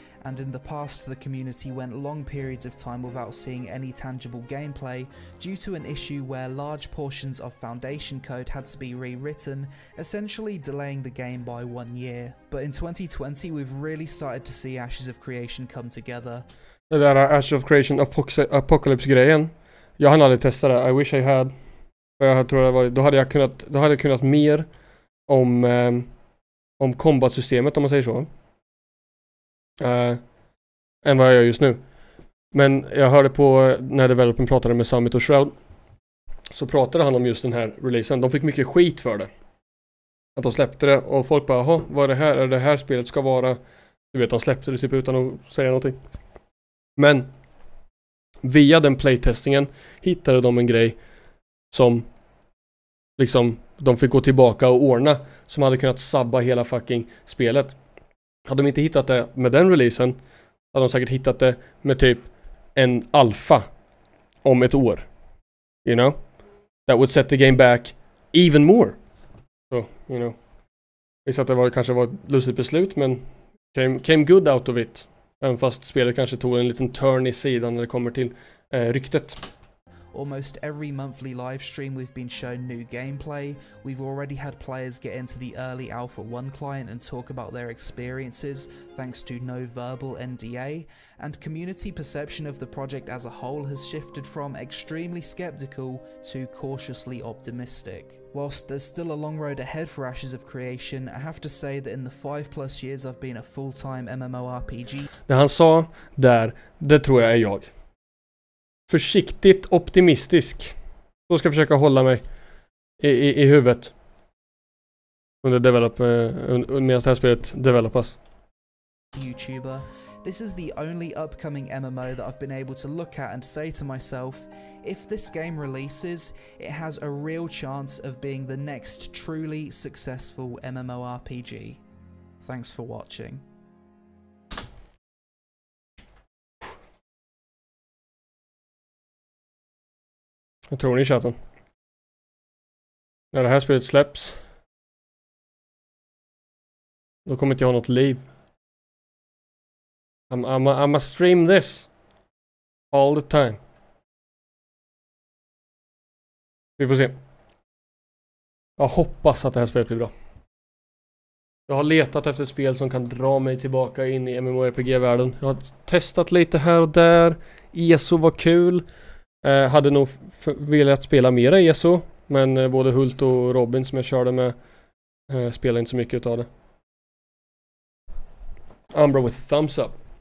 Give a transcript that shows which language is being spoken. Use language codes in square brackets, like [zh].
[en] And in the past, the community went long periods of time without seeing any tangible gameplay due to an issue where large portions of foundation code had to be rewritten, essentially delaying the game by 1 year. But in 2020, we've really started to see Ashes of Creation come together. [sv] Det där Ashes of Creation Apocalypse-grejen. Jag hann aldrig testa det. [en] I wish I had. [sv] Jag tror det hade varit, då hade jag kunnat mer om combat-systemet, om man säger så. Än vad jag gör just nu. Men jag hörde på när developern pratade med Summit och Shroud. Så pratade han om just den här releasen. De fick mycket skit för det. Att de släppte det. Och folk bara, aha, vad är det här? Är det här spelet ska vara? Du vet, de släppte det typ utan att säga någonting. Men via den playtestingen hittade de en grej som liksom de fick gå tillbaka och ordna. Som hade kunnat sabba hela fucking spelet. Hade de inte hittat det med den releasen, hade de säkert hittat det med typ en alfa om ett år. [en] You know? That would set the game back even more. So, you know. [sv] Visst att det var, kanske var ett lustigt beslut, men [en] came good out of it. [sv] Även fast spelet kanske tog en liten turn i sidan när det kommer till ryktet. [en] Almost every monthly livestream we've been shown new gameplay. We've already had players get into the early Alpha 1 client and talk about their experiences thanks to no verbal NDA. And community perception of the project as a whole has shifted from extremely skeptical to cautiously optimistic. Whilst there's still a long road ahead for Ashes of Creation, I have to say that in the 5+ years I've been a full-time MMORPG. [sv] Det han sa där, det tror jag är jag. Försiktigt optimistisk. Då ska jag försöka hålla mig i huvudet. Medan det här spelet developas. [en] YouTuber. This is the only upcoming MMO that I've been able to look at and say to myself, if this game releases, it has a real chance of being the next truly successful MMORPG. Thanks for watching. [sv] Jag tror ni i chatten. När det här spelet släpps, då kommer inte jag ha något liv. [en] I'm a stream this all the time. [sv] Vi får se. Jag hoppas att det här spelet blir bra. Jag har letat efter ett spel som kan dra mig tillbaka in i MMORPG-världen. Jag har testat lite här och där. ESO var kul. Hade nog velat spela mera ESO. Men både Hult och Robin som jag körde med spelade inte så mycket av det. [en] Umbra with thumbs up.